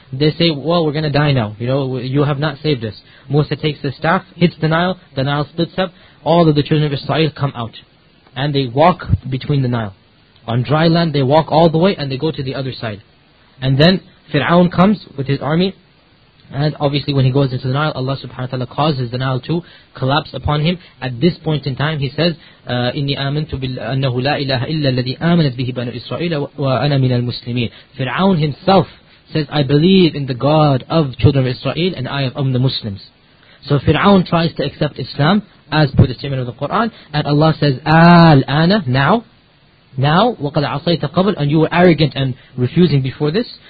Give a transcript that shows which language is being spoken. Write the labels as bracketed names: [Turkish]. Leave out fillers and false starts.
[English] They say, well, we're going to die now. You have not saved us. Musa takes the staff, hits the Nile. The Nile splits up. All of the children of Israel come out. And they walk between the Nile. On dry land, they walk all the way and they go to the other side. And then Fir'aun comes with his army. And obviously when he goes into the Nile, Allah subhanahu wa ta'ala causes the Nile to collapse upon him. At this point in time, he says, [Arabic] إِنِّي آمَنْتُ بِالْأَنَّهُ لَا إِلَهَ إِلَّا الَّذِي آمَنَتْ بِهِ بَنُوا إِسْرَائِيلَ وَأَنَا مِنَ الْمُسْلِمِينَ. [English] Fir'aun himself says, I believe in the God of children of Israel, and I am of the Muslims. So Fir'aun tries to accept Islam, as per the statement of the Quran, and Allah says, آلآنَ, now, now, [Arabic] وَقَدْ عَصَيْتَ قَبْلَ, [English] and you were arrogant and refusing before this.